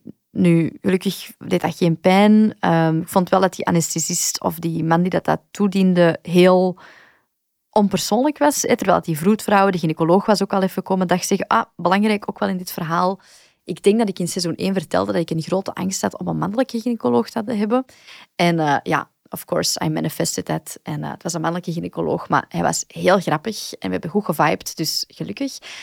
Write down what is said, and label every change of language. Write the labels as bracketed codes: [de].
[nl] Nu, gelukkig deed dat geen pijn. Ik vond wel dat die anesthesist of die man die dat toediende heel onpersoonlijk was. Terwijl die vroedvrouw, de gynaecoloog was ook al even komen, dacht zeggen, ah, belangrijk ook wel in dit verhaal. Ik denk dat ik in seizoen 1 vertelde dat ik een grote angst had om een mannelijke gynaecoloog te hebben. En ja, [en] of course, I manifested that. [nl] En het was een mannelijke gynaecoloog, maar hij was heel grappig en we hebben goed gevibed, dus gelukkig.